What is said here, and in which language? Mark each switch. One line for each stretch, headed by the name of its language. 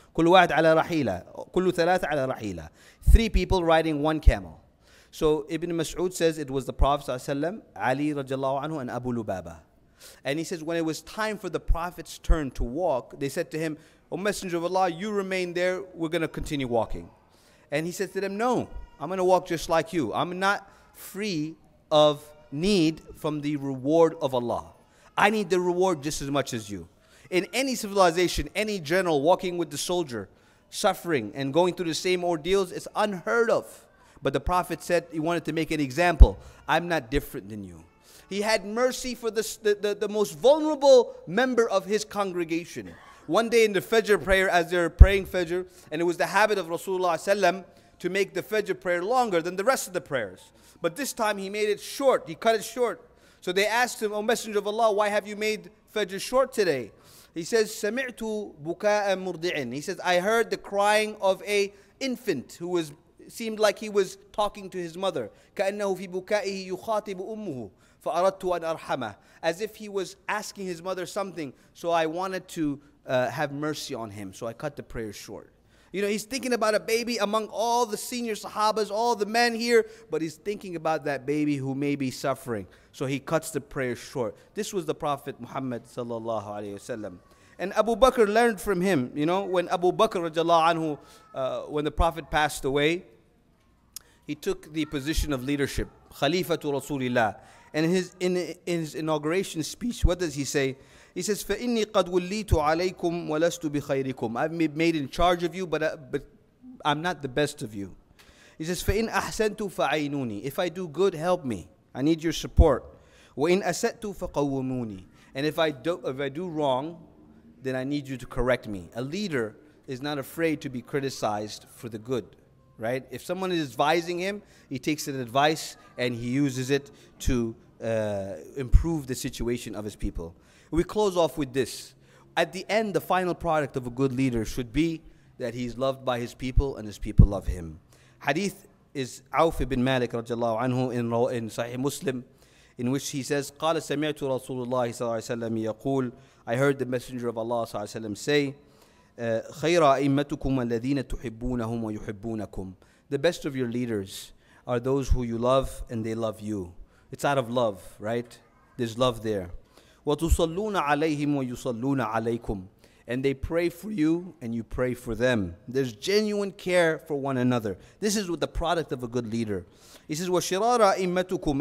Arabic: كل واحد على رحيلة كل ثلاثة على رحيلة.
English: Three people riding one camel. So Ibn Mas'ud says it was the Prophet ﷺ, Ali radiallahu anhu, and Abu Lubaba. And he says when it was time for the Prophet's turn to walk, they said to him, O Messenger of Allah, you remain there, we're going to continue walking. And he said to them, no, I'm going to walk just like you. I'm not free of need from the reward of Allah. I need the reward just as much as you. In any civilization, any general walking with the soldier, suffering and going through the same ordeals, it's unheard of. But the Prophet said he wanted to make an example. I'm not different than you. He had mercy for the most vulnerable member of his congregation. One day in the Fajr prayer, as they're praying Fajr, and it was the habit of Rasulullah ﷺ to make the Fajr prayer longer than the rest of the prayers. But this time he made it short. He cut it short. So they asked him, O Messenger of Allah, why have you made Fajr short today? He says,
Arabic: سَمِعْتُ بُكَاءَ مُرْضِعٍ.
English: He says, I heard the crying of a infant who was, seemed like he was talking to his mother.
Arabic: كَأَنَّهُ فِي بُكَائِهِ يُخَاطِبُ أُمُّهُ فَأَرَدْتُ أَنْ أَرْحَمَهُ.
English: As if he was asking his mother something, so I wanted to have mercy on him, so I cut the prayer short. You know, he's thinking about a baby among all the senior sahabas, all the men here, but he's thinking about that baby who may be suffering. So he cuts the prayer short. This was the Prophet Muhammad sallallahu alayhi wasallam. And Abu Bakr learned from him, you know, when Abu Bakr radiallahu anhu, when the Prophet passed away, he took the position of leadership, Khalifatu Rasulillah. And in his inauguration speech, what does he say? He says,
Arabic: فَإِنِّي قَدْ وُلِّيتُ عَلَيْكُمْ وَلَسْتُ بِخَيْرِكُمْ.
English: I've been made in charge of you, but I'm not the best of you. He says,
Arabic: فَإِنْ أَحْسَنْتُ فَعَيْنُونِي.
English: If I do good, help me. I need your support.
Arabic: وَإِنْ أَسَأْتُ فَقَوَّمُونِي.
English: And if I do wrong, then I need you to correct me. A leader is not afraid to be criticized for the good. Right? If someone is advising him, he takes an advice and he uses it to improve the situation of his people. We close off with this. At the end, the final product of a good leader should be that he's loved by his people and his people love him. Hadith is Auf ibn Malik radiallahu anhu in Sahih Muslim, in which he says,
Arabic: قَالَ سَمِعْتُ رَسُولُ اللَّهِ صَلَّى اللَّهِ عَلَيْهِ وَسَلَّمِ يَقُولُ.
English: I heard the Messenger of Allah صلى الله عليه وسلم say,
Arabic: خَيْرَ أَئِمَّتُكُمْ الَّذِينَ تُحِبُّونَهُمْ وَيُحِبُّونَكُمْ.
English: The best of your leaders are those who you love and they love you. It's out of love, right? There's love there.
Arabic: وَتُصَلُّونَ عَلَيْهِمْ وَيُصَلُّونَ عَلَيْكُمْ.
English: And they pray for you and you pray for them. There's genuine care for one another. This is what the product of a good leader. He says,
Arabic: وَشِرَارَ أَئِمَّتُكُمْ.